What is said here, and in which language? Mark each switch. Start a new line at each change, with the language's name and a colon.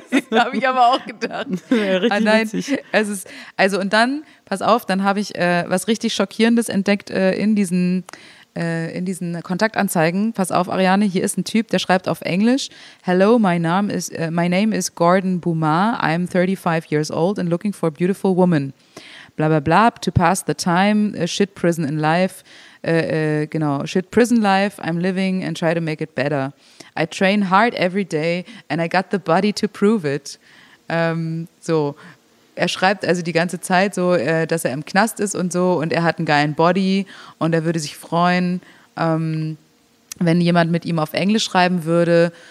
German: Das habe ich aber auch gedacht. Ja, richtig witzig. Also und dann, pass auf, dann habe ich was richtig Schockierendes entdeckt in diesen Kontaktanzeigen. Pass auf, Ariane, hier ist ein Typ, der schreibt auf Englisch:
English: Hello, my name is Gordon Bumar. I'm 35 years old and looking for a beautiful woman. Bla bla bla, to pass the time, shit prison in life, shit prison life, I'm living and try to make it better. I train hard every day and I got the body to prove it.
German: So, er schreibt also die ganze Zeit so, dass er im Knast ist und so und er hat einen geilen Body und er würde sich freuen, wenn jemand mit ihm auf Englisch schreiben würde.